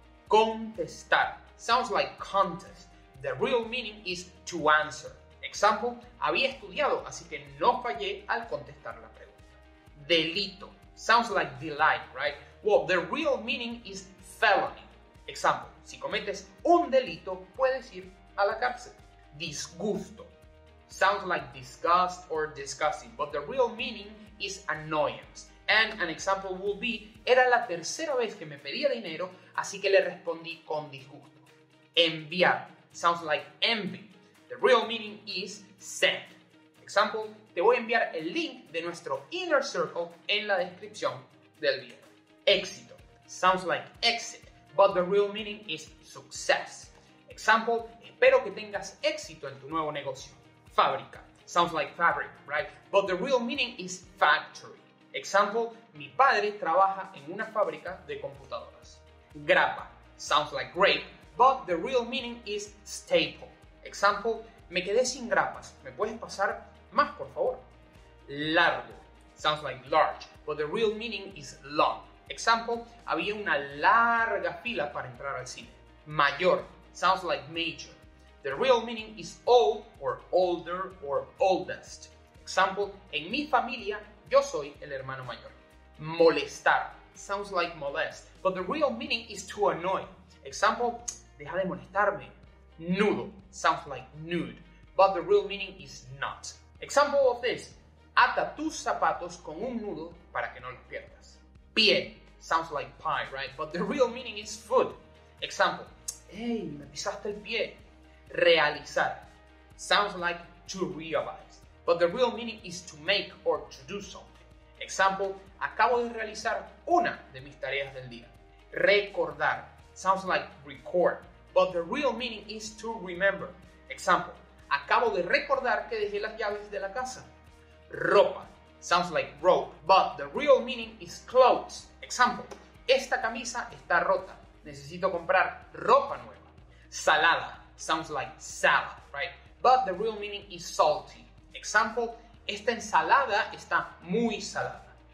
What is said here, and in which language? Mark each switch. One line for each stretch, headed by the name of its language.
English: Contestar. Sounds like contest. The real meaning is to answer.
Spanish: Example, había estudiado, así que no fallé al contestar la pregunta. Delito.
English: Sounds like delight, right? Well, the real meaning is felony.
Spanish: Example, si cometes un delito, puedes ir a la cárcel. Disgusto.
English: Sounds like disgust or disgusting, but the real meaning is annoyance. And an example will be,
Spanish: era la tercera vez que me pedía dinero, así que le respondí con disgusto. Enviar.
English: Sounds like envy. The real meaning is send.
Spanish: Example, te voy a enviar el link de nuestro inner circle en la descripción del video. Éxito.
English: Sounds like exit, but the real meaning is success.
Spanish: Example, espero que tengas éxito en tu nuevo negocio. Fábrica.
English: Sounds like fabric, right? But the real meaning is factory.
Spanish: Example, mi padre trabaja en una fábrica de computadoras. Grapa.
English: Sounds like grape, but the real meaning is staple.
Spanish: Example, me quedé sin grapas. ¿Me puedes pasar más, por favor? Largo.
English: Sounds like large, but the real meaning is long.
Spanish: Example, había una larga fila para entrar al cine.
English: Mayor. Sounds like major. The real meaning is old or older or oldest.
Spanish: Example, en mi familia, yo soy el hermano mayor. Molestar.
English: Sounds like molest, but the real meaning is to annoy. Example,
Spanish: deja de molestarme.
English: Nudo. Sounds like nude, but the real meaning is not. Example of this.
Spanish: Ata tus zapatos con un nudo para que no los pierdas.
English: Pie. Sounds like pie, right? But the real meaning is foot.
Spanish: Example, hey, me pisaste el pie. Realizar.
English: Sounds like to realize, but the real meaning is to make or to do something.
Spanish: Example, acabo de realizar una de mis tareas del día. Recordar.
English: Sounds like record, but the real meaning is to remember.
Spanish: Example, acabo de recordar que dejé las llaves de la casa. Ropa.
English: Sounds like rope, but the real meaning is clothes.
Spanish: Example, esta camisa está rota. Necesito comprar ropa nueva. Salada.
English: Sounds like salad, right? But the real meaning is salty.
Spanish: Example, esta ensalada está muy salada.